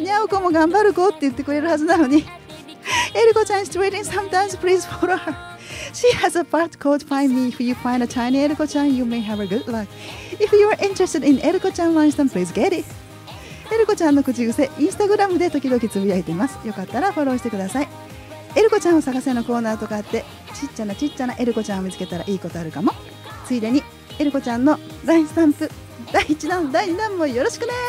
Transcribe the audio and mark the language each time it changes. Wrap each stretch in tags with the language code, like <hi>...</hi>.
<ja>にゃおこも頑張る子って言ってくれるはずなのに。</ja> <en>エルコちゃん is waiting sometimes, please follow her. She has a part called Find Me. If you find a tiny エルコちゃん, you may have a good luck. If you are interested in エルコちゃん lunch, then please get it.</en> <ja>エルコちゃんの口癖、インスタグラムで時々つぶやいています。よかったらフォローしてください。エルコちゃんを探せのコーナーとかあって、ちっちゃなちっちゃなエルコちゃんを見つけたらいいことあるかも。ついでに、エルコちゃんの LINE スタンプ、第1弾、第2弾もよろしくね。</ja>